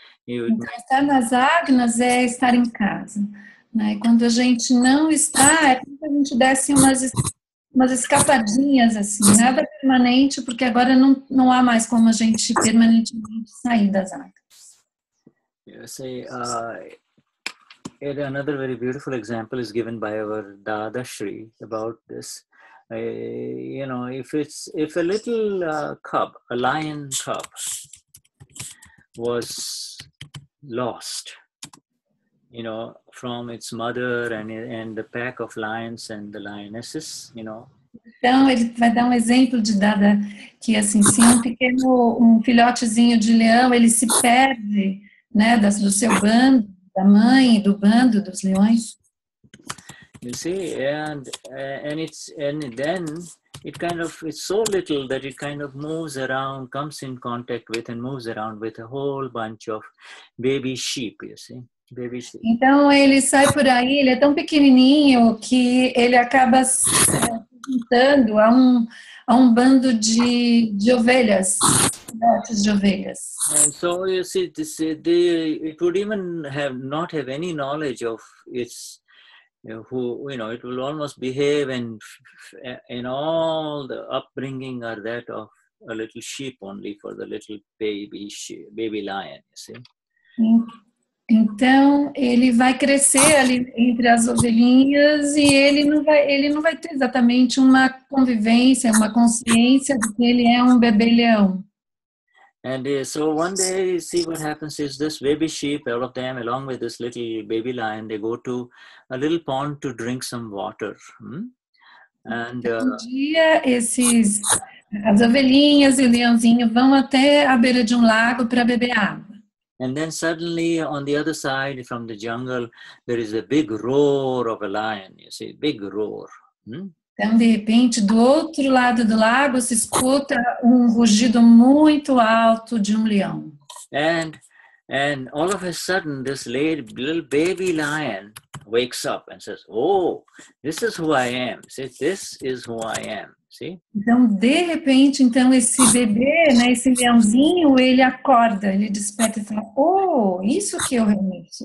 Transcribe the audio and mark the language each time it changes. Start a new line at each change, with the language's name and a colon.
Portuguese: Então, estar nas Agnas é estar em casa, né? E quando a gente não está, é como se a gente desse umas escapadinhas, assim, nada permanente, porque agora não há mais como a gente permanentemente sair das Agnas. Eu sei.
English: Another very beautiful example is given by our Dadashri about this. You know, if a little cub, a lion cub, was lost, you know, from its mother and the pack of lions and the lionesses, you know.
Portuguese: Então ele vai dar um exemplo de Dada que assim, se um filhotezinho de leão ele se perde, né, do seu bando. Da mãe, do bando, dos leões.
English: You see, it's so little that it kind of moves around, comes in contact with and moves around with a whole bunch of baby sheep, you see, baby sheep.
Portuguese: Então ele sai por aí, ele é tão pequenininho que ele acaba juntando a um bando de ovelhas.
English: And so you see, it would even not have any knowledge of its, who, you know, it will almost behave and all the upbringing are that of a little sheep only for the little baby lion, you see.
Portuguese: Então ele vai crescer ali entre as ovelhinhas e ele não vai ter exatamente uma convivência, uma consciência de que ele é um bebê leão.
English: And so one day, see what happens is this baby sheep, all of them, along with this little baby lion, they go to a little pond to drink some water.
Portuguese: And dia, esses as ovelhinhas e o leãozinho vão até a beira de lago para beber água.
English: And then suddenly, on the other side from the jungle, there is a big roar of a lion. You see, big roar.
Portuguese: Então, de repente, do outro lado do lago, se escuta um rugido muito alto de um leão.
English: And all of a sudden, this little baby lion wakes up and says, oh, this is who I am. See, this is who I am. See?
Portuguese: Então, de repente, então, esse bebê, né, esse leãozinho, ele acorda, ele desperta e fala, oh, isso que eu realmente.